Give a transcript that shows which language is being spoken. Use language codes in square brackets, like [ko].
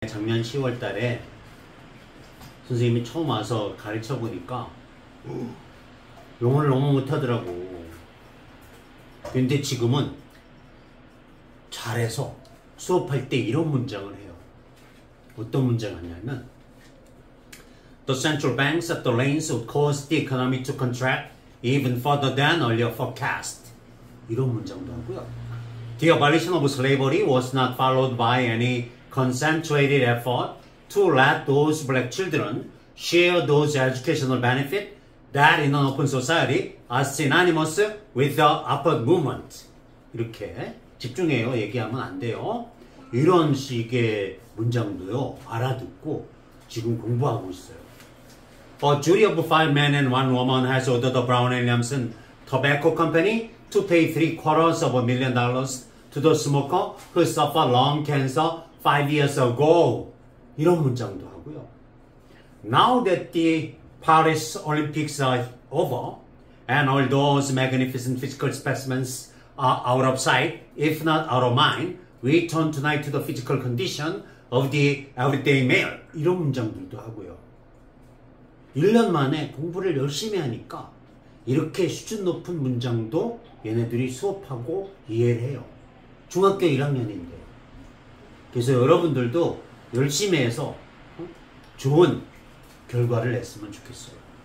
[ko] 작년 10월 달에 선생님이 처음 와서 가르쳐 보니까 영어를 너무 못하더라고. 근데 지금은 잘해서 수업할 때 이런 문장을 해요. 어떤 문장 하냐면 [en] The central banks of the lanes would cause the economy to contract even further than earlier forecast. [ko] 이런 문장도 하고요. [en] The abolition of slavery was not followed by any concentrated effort to let those black children share those educational benefits that in an open society are synonymous with the upward movement. [ko] 이렇게 집중해요. 얘기하면 안 돼요. 이런 식의 문장도요. 알아듣고 지금 공부하고 있어요. [en] A jury of five men and one woman has ordered the Brown and Williamson Tobacco Company to pay $750,000 to the smoker who suffered lung cancer 5 years ago. [ko] 이런 문장도 하고요. [en] Now that the Paris Olympics are over, and all those magnificent physical specimens are out of sight, if not out of mind, we turn tonight to the physical condition of the everyday male. [ko] 이런 문장들도 하고요. 1년 만에 공부를 열심히 하니까 이렇게 수준 높은 문장도 얘네들이 수업하고 이해를 해요. 중학교 1학년인데. 그래서 여러분들도 열심히 해서 좋은 결과를 냈으면 좋겠어요.